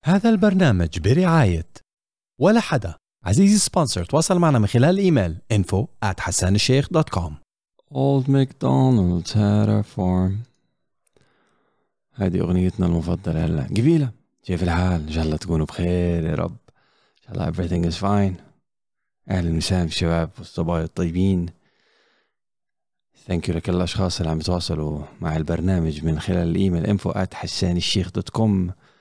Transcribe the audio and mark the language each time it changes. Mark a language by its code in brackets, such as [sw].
[ar] هذا البرنامج برعاية ولا حدا. عزيزي سبونسر تواصل معنا من خلال إيميل info@hassanesheikh.com. [en] Old MacDonald's had a farm. [ar] هذه أغنيتنا المفضلة هلا قبيلة. كيف الحال؟ إن شاء الله تكونوا بخير يا رب. إن شاء الله [en] everything is fine. [ar] أهل المسام الشباب والصبايا الطيبين. [en] Thank you [ar] لكل الأشخاص اللي عم يتواصلوا مع البرنامج من خلال الإيميل info@hassanesheikh.com.